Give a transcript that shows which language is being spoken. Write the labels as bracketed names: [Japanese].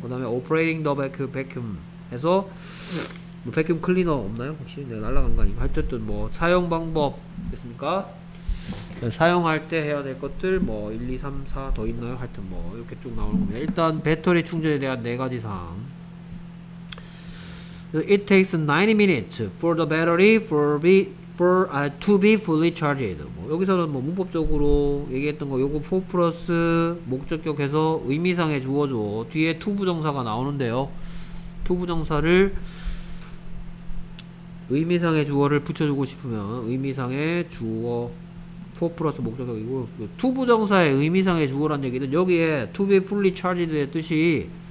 [Korean] 그다음에 [English] operating the vacuum [Korean] 해서 뭐 vacuum cleaner 없나요? 혹시 내가 날라간 거 아니고 하여튼 뭐 사용 방법 됐습니까? 사용할 때 해야 될 것들 뭐 1, 2, 3, 4 더 있나요? 하여튼 뭐 이렇게 쭉 나오는 겁니다. 일단 배터리 충전에 대한 네 가지 사항. [English] It takes 90 minutes for the battery to be fully charged. [Korean] 뭐 여기서는 뭐 문법적으로 얘기했던 거 요거 for 플러스 목적격 해서 의미상의 주어죠. 뒤에 to 부정사가 나오는데요. to 부정사를 의미상의 주어를 붙여주고 싶으면 의미상의 주어 for 플러스 목적격이고 to 부정사의 의미상의 주어란 얘기는 여기에 [English] to be fully charged [Korean] 의 뜻이